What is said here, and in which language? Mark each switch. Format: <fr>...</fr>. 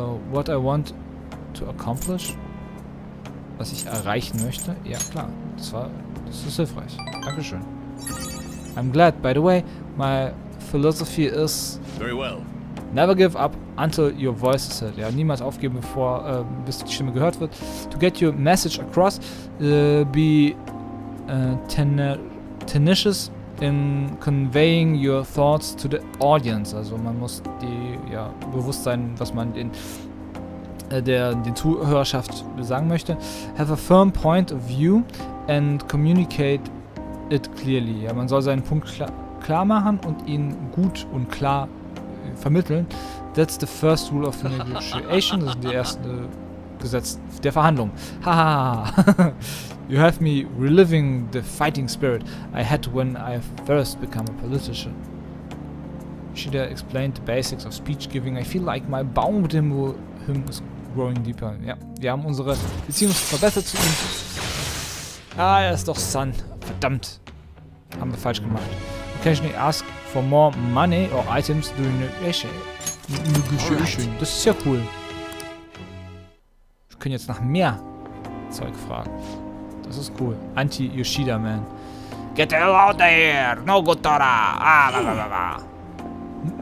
<en>What I want to accomplish?</en> <de>Was ich erreichen möchte? Ja, klar. Das ist hilfreich. Dankeschön.</de> <en>I'm glad, by the way, my philosophy is... Very well. Never give up until your voice is heard.</en> <de>Ja, niemals aufgeben, bevor bis die Stimme gehört wird.</de> <en>To get your message across, be tenacious in conveying your thoughts to the audience.</en> <de>Also man muss bewusst sein, was man den Zuhörerschaft sagen möchte.</de> <en>Have a firm point of view and communicate it clearly.</en> <de>Ja, man soll seinen Punkt klar machen und ihn gut und klar vermitteln.</de> <en>That's the first rule of negotiation.</en> <de>Das ist die erste Gesetz der Verhandlung. Haha.</de> <en>You have me reliving the fighting spirit I had when I first became a politician. Shida explained the basics of speech giving. I feel like my bond with him is growing deeper.</en> <de>Ja, wir haben unsere Beziehung verbessert zu ihm. Ah, er ist doch Sun. Verdammt. Haben wir falsch gemacht.</de> <en>Occasionally ask for more money or items during the negotiation.</en> <de>Das ist ja cool. Wir können jetzt nach mehr Zeug fragen. Das ist cool.</de> <en>Anti-Yoshida, man. Get the hell out of here! No good Tora! Ah, la, la, la, la.</en>